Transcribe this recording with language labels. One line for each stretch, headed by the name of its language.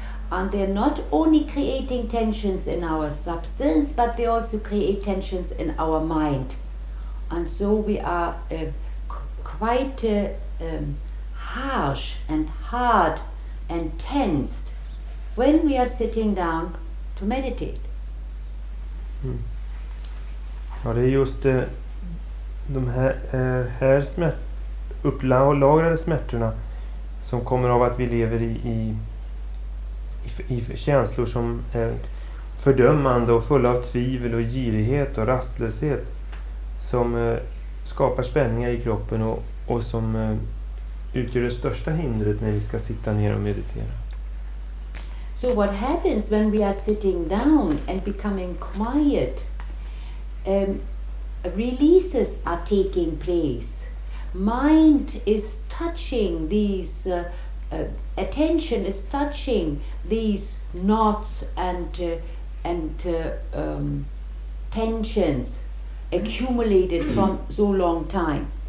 English: And they're not only creating tensions in our substance, but they also create tensions in our mind. And so we are quite harsh and hard and tensed when we are sitting down to meditate.
Swedish: Ja, det är just de här upplagrade smärtorna som kommer av att vi lever i känslor som är fördömande och fulla av tvivel och girighet och rastlöshet som skapar spänningar i kroppen och som utgör det största hindret när vi ska sitta ner och meditera.
English: So what happens when we are sitting down and becoming quiet? Releases are taking place. Mind is touching these attention is touching these knots and tensions accumulated from so long time.